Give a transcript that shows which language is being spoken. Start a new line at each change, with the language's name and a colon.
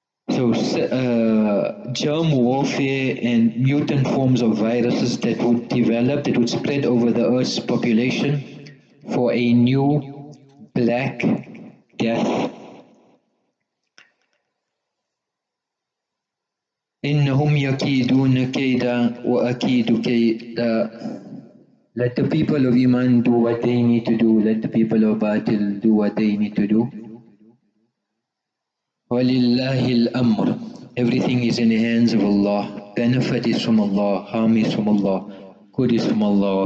English: So germ warfare and mutant forms of viruses that would develop, that would spread over the Earth's population for a new Black Death.
Arabic: إنهم يكيدون كيدا وأكيد كيدا.
English: Let the people of Iman do what they need to do. Let the people of Batil do what they need to do.
Arabic: ولله الأمر.
English: Everything is in the hands of Allah. Benefit is from Allah. Harm is from Allah. Good is from Allah.